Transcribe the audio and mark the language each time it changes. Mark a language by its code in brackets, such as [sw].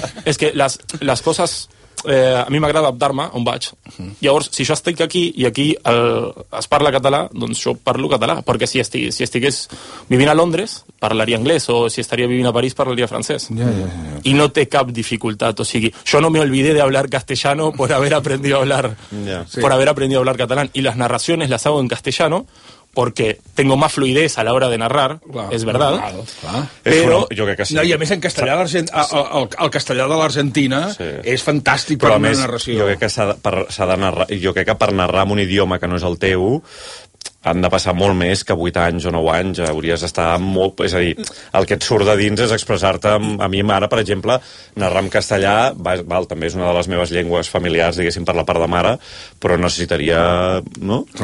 [ca] És que les coses... a mi m'agrada adaptar-me on vaig. Llavors, si jo estic aquí i aquí es parla català, doncs jo parlo català. Perquè si estigués vivint a Londres, parlaria anglès. O si estaria vivint a París, parlaria francès. Yeah. I no té cap dificultat. O sigui, jo [es] no me olvidé de hablar castellano por haber aprendido a hablar, por haber aprendido a hablar catalán. Y las narraciones las hago en castellano, porque tengo más fluidez a la hora de narrar, [ca] és [es] verdad. [ca] I a més, en castellà, el castellà de l'Argentina és fantàstic per a la narració. Jo crec que s'ha de narrar, jo crec que per narrar en un idioma que no és el teu han de passar molt més que 8 anys o 9 anys, hauries d'estar molt... És a dir, el que et surt de dins és expressar-te... A mi, ara, per exemple, narrar en castellà, val, també és una de les meves llengües familiars, diguéssim, per la part de mare, però necessitaria, no?